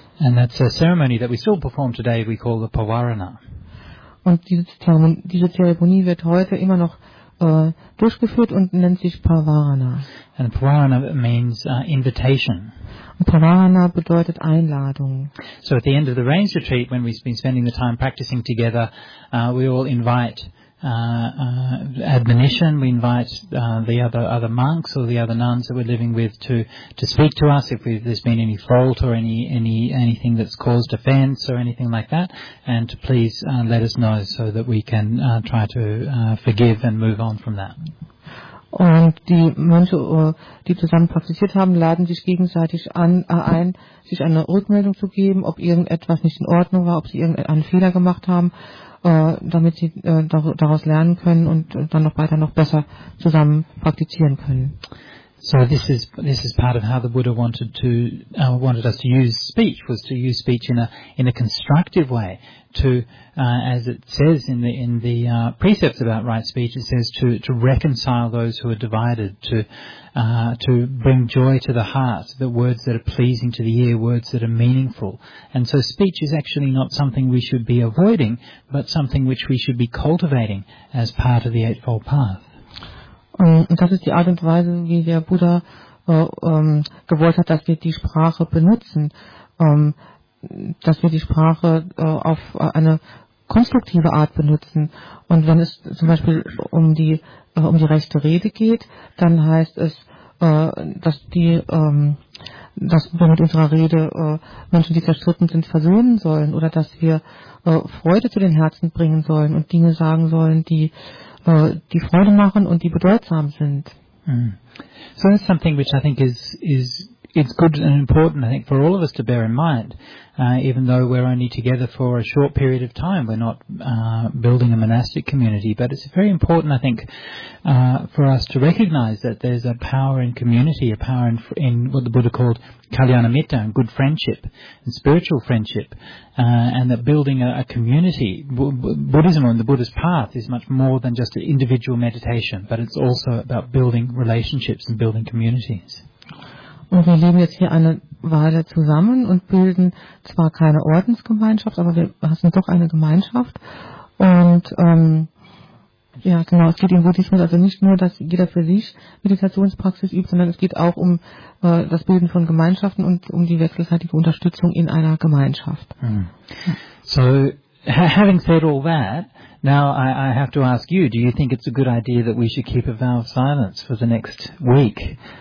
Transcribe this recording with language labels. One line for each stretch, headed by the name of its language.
English: And that's a ceremony that we still perform today, we call the Pavarana.
German: Und diese Zeremonie wird heute immer noch durchgeführt und nennt sich Pavarana.
English: And Pavarana means invitation.
German: Pavarana bedeutet Einladung.
English: So at the end of the rains retreat, when we've been spending the time practicing together, we all invite admonition, we invite the other monks or the other nuns that we're living with to speak to us if there's been any fault or anything that's caused offense or anything like that, and to please let us know so that we can try to forgive and move on from that.
German: Und die Mönche, die zusammen praktiziert haben, laden sich gegenseitig ein, sich eine Rückmeldung zu geben, ob irgendetwas nicht in Ordnung war, ob sie irgendeinen Fehler gemacht haben, damit sie daraus lernen können und dann noch weiter noch besser zusammen praktizieren können.
English: So this is part of how the Buddha wanted us to use speech, was to use speech in a constructive way, to as it says in the precepts about right speech, it says to reconcile those who are divided, to bring joy to the heart, the words that are pleasing to the ear, words that are meaningful. And so speech is actually not something we should be avoiding, but something which we should be cultivating as part of the Eightfold Path.
German: Und das ist die Art und Weise, wie der Buddha gewollt hat, dass wir die Sprache benutzen, dass wir die Sprache auf eine konstruktive Art benutzen. Und wenn es zum Beispiel um die rechte Rede geht, dann heißt es, dass wir mit unserer Rede Menschen, die zerstritten sind, versöhnen sollen oder dass wir Freude zu den Herzen bringen sollen und Dinge sagen sollen, die Freude machen und die bedeutsam sind.
English: So that's something which I think is good and important, I think, for all of us to bear in mind, even though we're only together for a short period of time. We're not building a monastic community, but it's very important, I think, for us to recognize that there's a power in community, a power in what the Buddha called Kalyanamitta, and good friendship and spiritual friendship, and that building a community, Buddhism and the Buddha's path, is much more than just an individual meditation, but it's also about building relationships and building communities.
German: Und wir leben jetzt hier eine Weile zusammen und bilden zwar keine Ordensgemeinschaft, aber wir haben doch eine Gemeinschaft. Und es geht im Buddhismus also nicht nur, dass jeder für sich Meditationspraxis übt, sondern es geht auch um das Bilden von Gemeinschaften und um die wechselseitige Unterstützung in einer Gemeinschaft.
English: So, having said all that, now I have to ask you, do you think it's a good idea that we should keep a vow of silence for the next week?